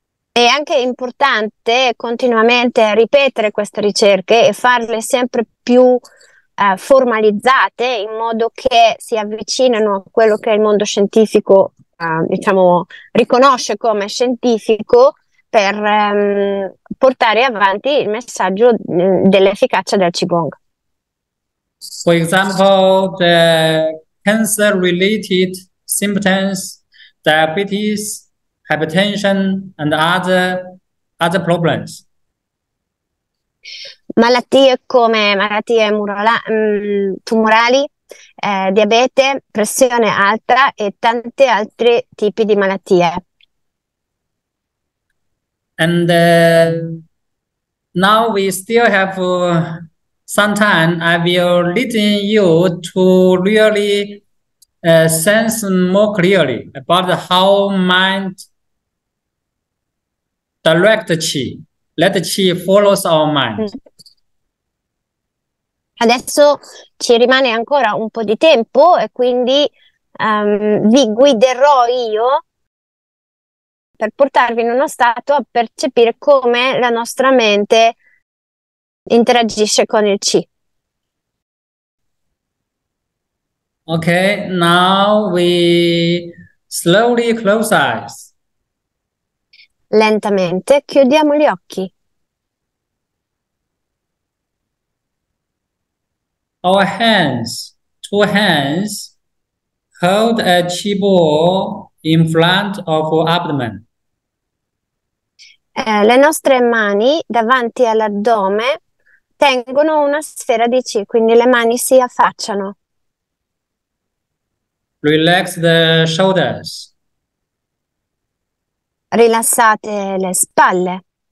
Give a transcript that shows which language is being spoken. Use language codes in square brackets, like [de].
[it] È anche importante continuamente ripetere queste ricerche e farle sempre più formalizzate in modo che si avvicinano a quello che il mondo scientifico riconosce come scientifico per portare avanti il messaggio dell'efficacia del qigong. [en] For example, the cancer-related symptoms, diabetes, hypertension, and other problems. [it] Malattie come malattie tumorali, diabete, pressione alta e tanti altri tipi di malattie. [en] And now we still have some time. I will lead you to really sense more clearly about how mind direct qi, let qi follows our mind. [it] Adesso ci rimane ancora un po' di tempo e quindi vi guiderò io per portarvi in uno stato a percepire come la nostra mente interagisce con il qi. [en] Okay, now we slowly close eyes. [it] Lentamente chiudiamo gli occhi. [en] Our hands, two hands, hold a chi bowl in front of our abdomen. [it] Le nostre mani davanti all'addome tengono una sfera di chi, quindi le mani si affacciano. [en] Relax the shoulders. [it] Rilassate le spalle.